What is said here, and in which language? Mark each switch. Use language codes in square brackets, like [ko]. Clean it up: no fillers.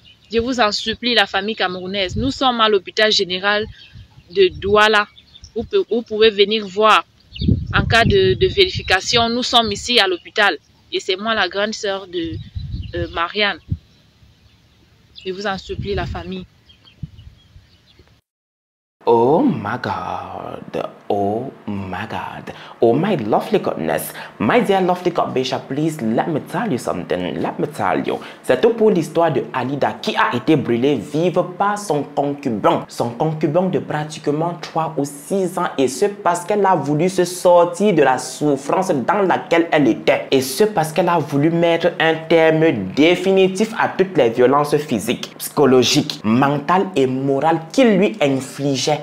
[fr] Je vous en supplie, la famille camerounaise. Nous sommes à l'hôpital général de Douala. Vous pouvez venir voir. En cas de vérification, nous sommes ici à l'hôpital. Et c'est moi, la grande sœur de Marianne. Je vous en supplie, la famille. [en] Oh my God, oh my God, oh my lovely goodness, my dear lovely God Bishop, please let me tell you something, let me tell you. [fr] C'est tout pour l'histoire de Alida qui a été brûlée vive par son concubin de pratiquement 3 ou 6 ans et ce parce qu'elle a voulu se sortir de la souffrance dans laquelle elle était et ce parce qu'elle a voulu mettre un terme définitif à toutes les violences physiques, psychologiques, mentales et morales qu'il lui infligeait.